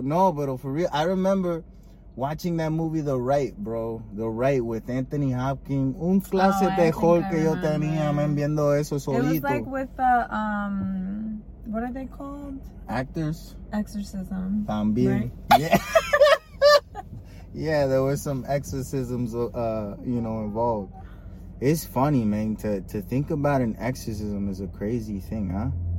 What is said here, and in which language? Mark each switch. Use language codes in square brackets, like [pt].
[en] No, but for real, I remember watching that movie, The Right, bro. The Right with Anthony Hopkins. [es] Un clase de horror que yo tenía, man, viendo eso solito. [en] It was like with the, what are they called? Actors. Exorcism. También. Right? Yeah. Yeah, there were some exorcisms, you know, involved. It's funny, man, to think about an exorcism is a crazy thing, huh?